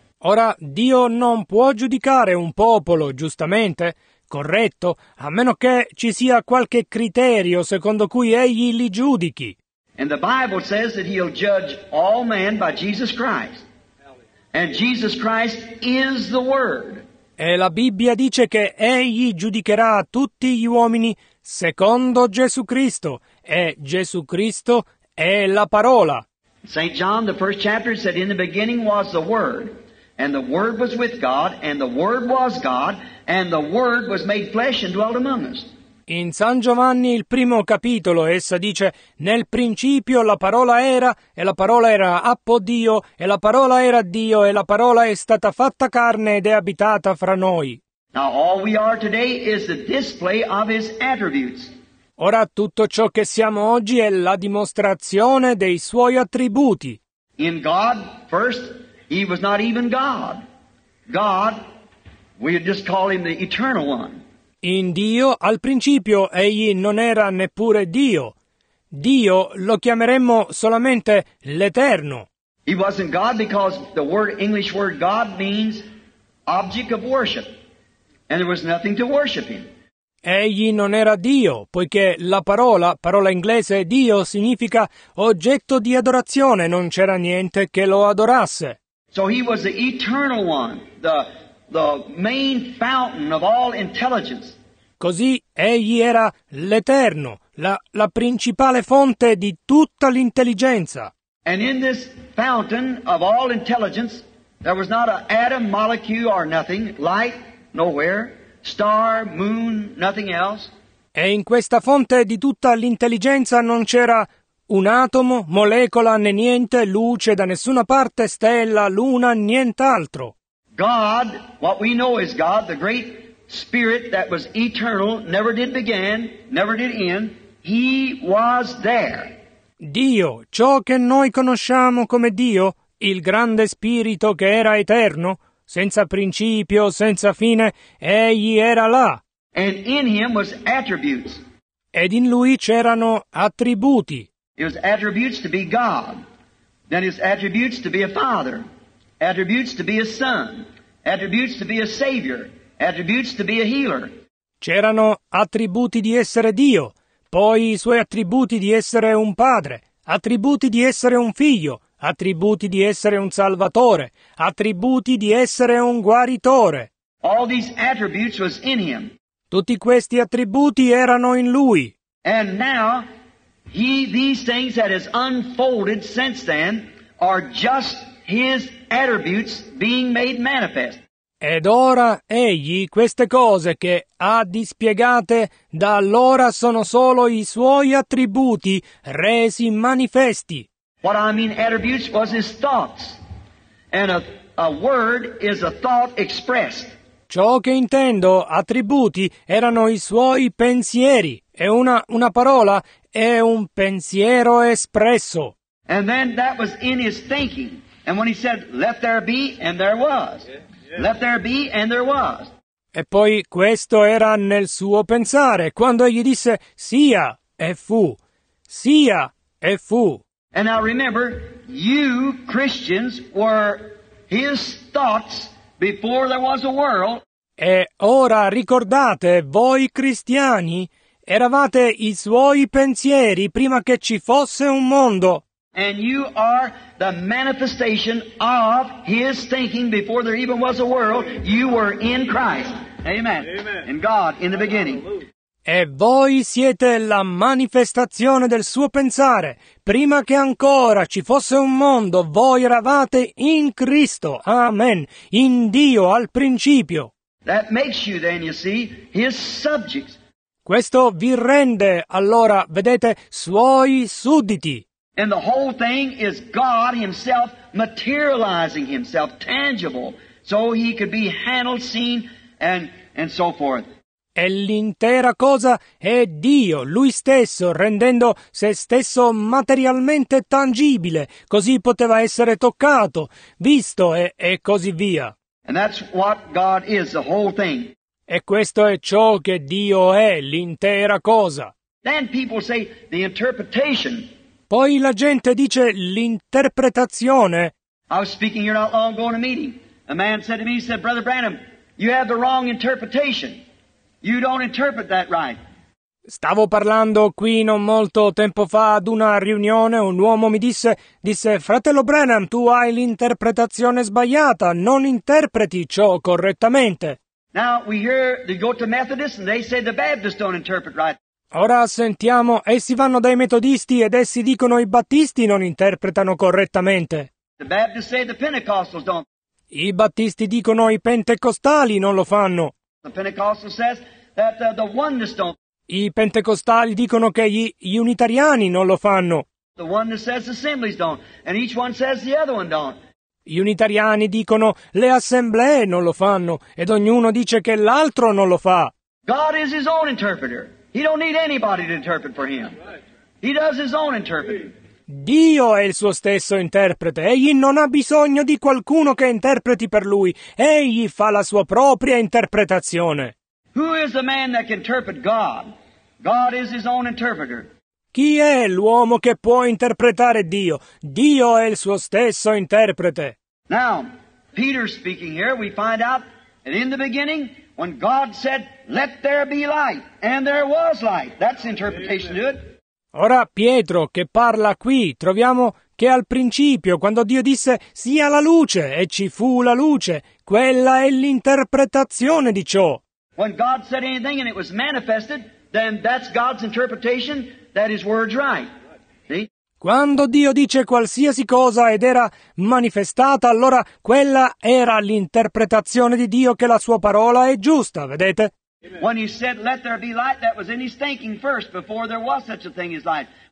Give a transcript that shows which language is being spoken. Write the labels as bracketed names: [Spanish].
[Italian] Ora Dio non può giudicare un popolo giustamente, corretto, a meno che ci sia qualche criterio secondo cui egli li giudichi. [English] And the Bible says that he'll judge all men by Jesus Christ. And Jesus Christ is the Word. [Italian] E la Bibbia dice che egli giudicherà tutti gli uomini secondo Gesù Cristo, e Gesù Cristo è la parola. [English] St. John, the first chapter, said in the beginning was the Word. And the Word was with God, and the Word was God, and the Word was made flesh and dwelt among us. [Italian] In San Giovanni, il primo capitolo, essa dice, nel principio la parola era, e la parola era appo Dio, e la parola era Dio, e la parola è stata fatta carne ed è abitata fra noi. [English] Now all we are today is the display of his attributes. [Italian] Ora tutto ciò che siamo oggi è la dimostrazione dei suoi attributi. [English] In God, first, he was not even God. God, we just call him the Eternal One. [Italian] In Dio, al principio, egli non era neppure Dio. Dio lo chiameremmo solamente l'Eterno. [English] He wasn't God because the word, English word God means object of worship. And there was nothing to worship him. [Italian] Egli non era Dio, poiché la parola, parola inglese, Dio, significa oggetto di adorazione. Non c'era niente che lo adorasse. [English] So he was the Eternal One, the main fountain of all intelligence. [Italian] Così egli era l'Eterno, la principale fonte di tutta l'intelligenza. [English] And in this fountain of all intelligence, there was not an atom, molecule, or nothing, light, nowhere, star, moon, nothing else. [Italian] E in questa fonte di tutta l'intelligenza non c'era un atomo, molecola, né niente, luce da nessuna parte, stella, luna, nient'altro. [English] God, what we know is God, the great spirit that was eternal, never did begin, never did end, he was there. [Italian] Dio, ciò che noi conosciamo come Dio, il grande spirito che era eterno, senza principio, senza fine, egli era là. [English] And in him was attributes. [Italian] Ed in lui c'erano attributi. [English] It was attributes to be God, then his attributes to be a father. Attributes to be a son, attributes to be a savior, attributes to be a healer. [Italian] C'erano attributi di essere Dio, poi i suoi attributi di essere un padre, attributi di essere un figlio, attributi di essere un salvatore, attributi di essere un guaritore. [English] All these attributes was in him. [Italian] Tutti questi attributi erano in lui. [English] And now, these things that has unfolded since then are just his attributes being made manifest. [Italian] Ed ora egli, queste cose che ha dispiegate da allora sono solo i suoi attributi resi manifesti. [English] What I mean attributes was his thoughts. And a word is a thought expressed. [Italian] Ciò che intendo attributi erano i suoi pensieri, e una parola è un pensiero espresso. [English] And then that was in his thinking. And when he said, let there be, and there was. Let there be, and there was. [Italian] E poi questo era nel suo pensare, quando egli disse, sia, e fu. Sia, e fu. [English] And now remember, you Christians were his thoughts before there was a world. [Italian] E ora ricordate, voi cristiani, eravate i suoi pensieri prima che ci fosse un mondo. [English] And you are the manifestation of his thinking before there even was a world. You were in Christ. Amen. Amen. In God, in the beginning. [Italian] E voi siete la manifestazione del suo pensare. Prima che ancora ci fosse un mondo, voi eravate in Cristo. Amen. In Dio, al principio. [English] That makes you then, you see, his subjects. [Italian] Questo vi rende, allora, vedete, suoi sudditi. [English] And the whole thing is God himself materializing himself, tangible, so he could be handled, seen, and so forth. [Italian] e l'intera cosa è Dio, Lui stesso, rendendo se stesso materialmente tangibile, così poteva essere toccato, visto e così via. [English] And that's what God is, the whole thing. [Italian] E questo è ciò che Dio è, l'intera cosa. [English] Then people say the interpretation. [Italian] Poi la gente dice l'interpretazione. [English] I was speaking here not long ago in a meeting. A man said to me, he said, Brother Branham, you have the wrong interpretation. You don't interpret that right. [Italian] Stavo parlando qui non molto tempo fa ad una riunione, un uomo mi disse, fratello Branham, tu hai l'interpretazione sbagliata, non interpreti ciò correttamente. [English] Now we hear they go to Methodists and they say the Baptists don't interpret right. [Italian] Ora sentiamo, essi vanno dai metodisti ed essi dicono i battisti non interpretano correttamente. [English] The Baptists say the Pentecostals don't. [Italian] I battisti dicono i pentecostali non lo fanno. [English] The Pentecostal says that the oneness don't. [Italian] I pentecostali dicono che gli unitariani non lo fanno. [English] The one that says assemblies don't, and each one says the other one don't. [Italian] Gli unitariani dicono le assemblee non lo fanno, ed ognuno dice che l'altro non lo fa. [English] God is his own interpreter. He don't need anybody to interpret for him. He does his own interpreting. [Italian] Dio è il suo stesso interprete. Egli non ha bisogno di qualcuno che interpreti per lui. Egli fa la sua propria interpretazione. [English] Who is the man that can interpret God? God is his own interpreter. [Italian] Chi è l'uomo che può interpretare Dio? Dio è il suo stesso interprete. [English] Now, Peter speaking here, we find out that in the beginning, when God said, let there be light, and there was light, that's interpretation to it. [Italian] Ora Pietro che parla qui, troviamo che al principio, quando Dio disse, sia la luce, e ci fu la luce, quella è l'interpretazione di ciò. [English] When God said anything and it was manifested, then that's God's interpretation, that his word's right. See? [Italian] Quando Dio dice qualsiasi cosa ed era manifestata, allora quella era l'interpretazione di Dio che la sua parola è giusta, vedete? [English] When he said, let there be light, that was in his thinking first, before there was such a thing as light.